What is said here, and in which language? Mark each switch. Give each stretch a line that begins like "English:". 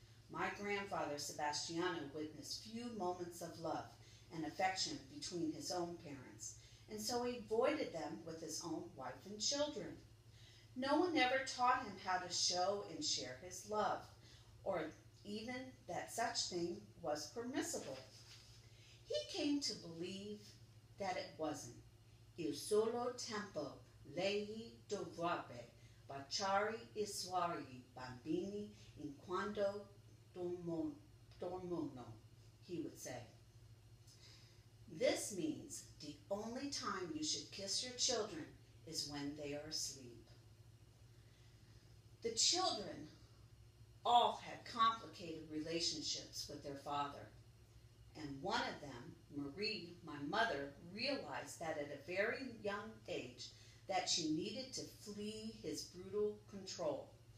English: My grandfather Sebastiano witnessed few moments of love and affection between his own parents, and so he avoided them with his own wife and children. No one ever taught him how to show and share his love, or even that such thing was permissible. He came to believe that it wasn't.
Italian: Il solo tempo lei dovrebbe baciare I suoi bambini in quando dormono,
English: he would say. This means the only time you should kiss your children is when they are asleep. The children all had complicated relationships with their father. And one of them, Marie, my mother, realized that at a very young age that she needed to flee his brutal control.